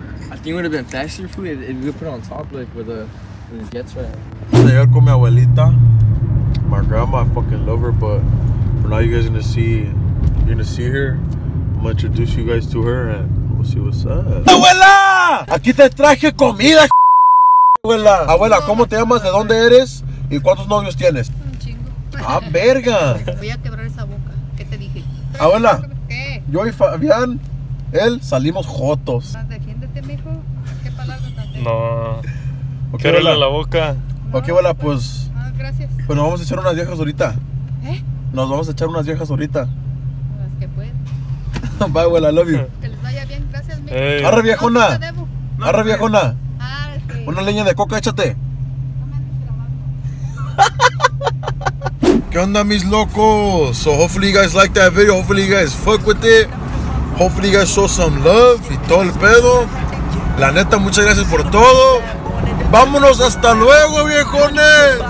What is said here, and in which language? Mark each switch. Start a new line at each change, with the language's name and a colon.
English: I think it would have been faster if we put it on top, like where it gets right.
Spanish: Estoy con mi abuelita.
English: My grandma, I fucking love her, but for now you're gonna see her. I'm gonna introduce you guys to her and we'll see what's up.
Spanish: Abuela! Aquí te traje comida. Abuela, ¿cómo te llamas? ¿De dónde eres? ¿Y cuántos novios tienes? Un chingo. ¡Ah, verga! Voy a quebrar esa boca. ¿Qué te dije? Abuela. ¿Qué? Yo y Fabián, él, salimos jotos. Defiéndete, mijo. ¿Qué palabras? No. Okay, quiero la boca. Ok, abuela, pues... Ah, gracias. Bueno, vamos a echar unas viejas ahorita. ¿Eh? Nos vamos a echar unas viejas ahorita. Las que pueden.
English: Bye, abuela, I love you.
Spanish: Que les vaya bien, gracias, mi. Hey. Arre, viejona. No, arre, viejona. Arre. Una leña de coca, échate. ¿Qué onda, mis locos?
English: So hopefully you guys like that video. Hopefully you guys fuck with it. Hopefully you guys show some love
Spanish: y todo el pedo. La neta, muchas gracias por todo. Vámonos, hasta luego, viejones.